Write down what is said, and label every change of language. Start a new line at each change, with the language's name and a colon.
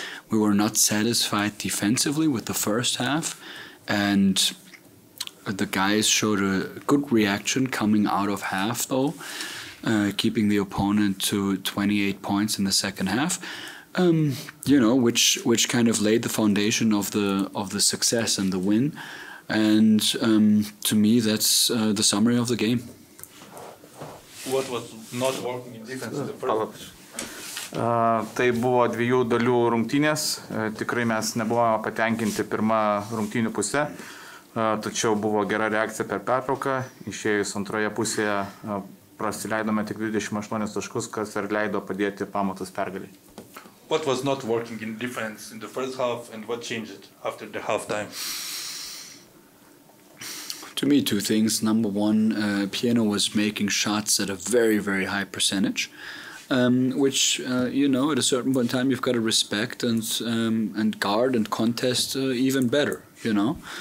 English: We were not satisfied defensively with the first half, and the guys showed a good reaction coming out of half, though, keeping the opponent to 28 points in the second half. You know, which kind of laid the foundation of the success and the win. And to me, that's the summary of the game. What was not working in defense in the first half?
Lithuanian: Tai buvo dviejų dalių rungtynės. Tikrai mes nebuvome patenkinti pirmą rungtynių pusę. Tačiau buvo gera reakcija per pertrauką. Išėjus antroje pusėje prasileidome tik 28 taškus, kas ir leido padėti pamatus pergalį.
English: What was not working in defense in the first half and what changed after the half time? To me, two things. Number one, Piano was making shots at a very, very high percentage, which, you know, at a certain point in time, you've got to respect and guard and contest even better, you know.